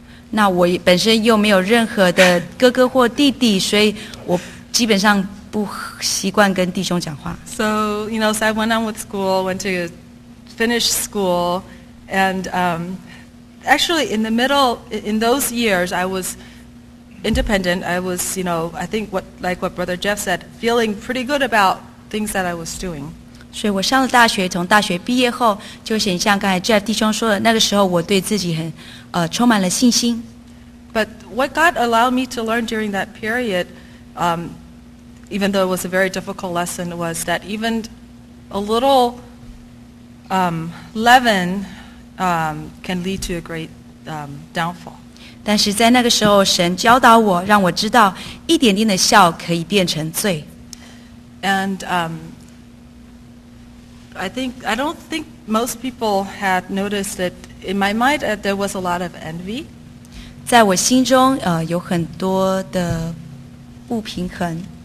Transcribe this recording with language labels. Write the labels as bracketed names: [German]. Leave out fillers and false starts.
[Chinese] 那我本身又没有任何的哥哥或弟弟，所以我基本上不习惯跟弟兄讲话。 [English] So you know, so I went on with school, went to finish school, and actually in the middle in those years I was independent. I was, you know, I think what Brother Jeff said, feeling pretty good about. Things that I was doing. [Chinese] 所以我上了大学，从大学毕业后，就很像刚才 Jeff 弟兄说的，那个时候我对自己很充满了信心。 [English] But what God allowed me to learn during that period, even though it was a very difficult lesson, was that even a little leaven can lead to a great downfall. [Chinese] 但是在那个时候，神教导我，让我知道一点点的笑可以变成罪。 [English] And I don't think most people had noticed that in my mind there was a lot of envy. [Chinese] 在我心中有很多的不平衡。